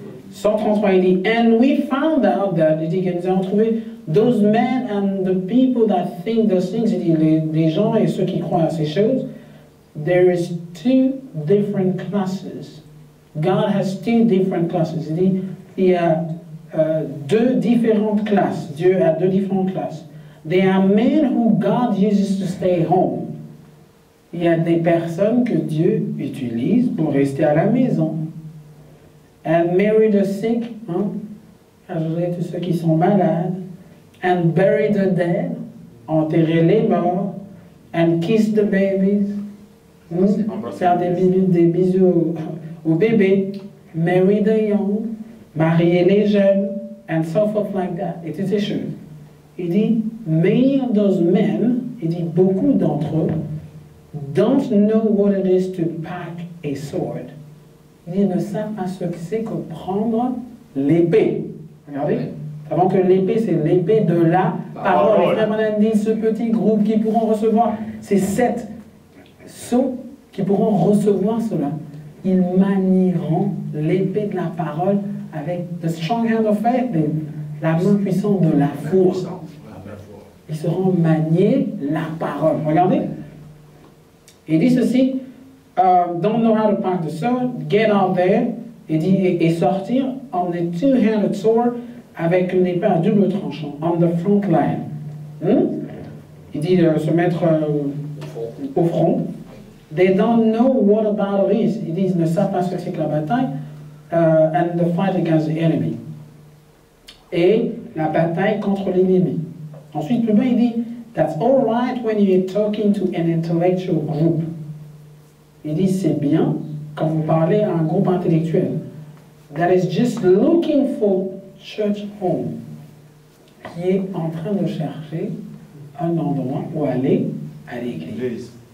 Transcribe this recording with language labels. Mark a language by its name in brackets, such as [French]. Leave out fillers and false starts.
[English] 133, [French] il dit, [English] and we found out that, il dit, [French] nous avons trouvé [English] those men and the people that think those things, il dit, [French] les gens et ceux qui croient à ces choses, [English] there is two different classes. God has two different classes. [French] Il dit, il y a deux différentes classes. Dieu a deux différentes classes. [English] There are men who God uses to stay home. [French] Il y a des personnes que Dieu utilise pour rester à la maison. [English] And marry the sick, [French] hein, ajouter tous ceux qui sont malades. [English] And bury the dead, [French] enterrer les morts. [English] And kiss the babies, [French] faire des bisous aux bébés. [English] Marry the young, [French] marier les jeunes, [English] and so forth like that. [French] Et toutes ces choses. Il dit, [English] many of those men, il dit, [French] beaucoup d'entre eux, [English] don't know what it is to pack a sword. [French] Ils ne savent pas ce que c'est que prendre l'épée. Regardez. Avant que l'épée, c'est l'épée de la parole. Frère Branham dit, ce petit groupe qui pourront recevoir, c'est sept sceaux qui pourront recevoir cela. Ils manieront l'épée de la parole avec [English] the strong hand of faith, [French] la main puissante de la foi. Ils seront manier la parole. Regardez. Il dit ceci. [English] Don't know how to pack the sword, get out there, [French] et dit, et sortir [English] on the two-handed sword [French] avec une épée à double tranchant, [English] on the front line. [French] Il dit de se mettre au front. [English] They don't know what a battle is. [French] Ils disent, ne savent pas ce que c'est que la bataille, [English] and the fight against the enemy. [French] Et la bataille contre l'ennemi. Ensuite, plus bas, il dit, [English] that's all right when you're talking to an intellectual group. [French] Il dit, c'est bien quand vous parlez à un groupe intellectuel. [English] That is just looking for church home. [French] Qui est en train de chercher un endroit où aller à l'église.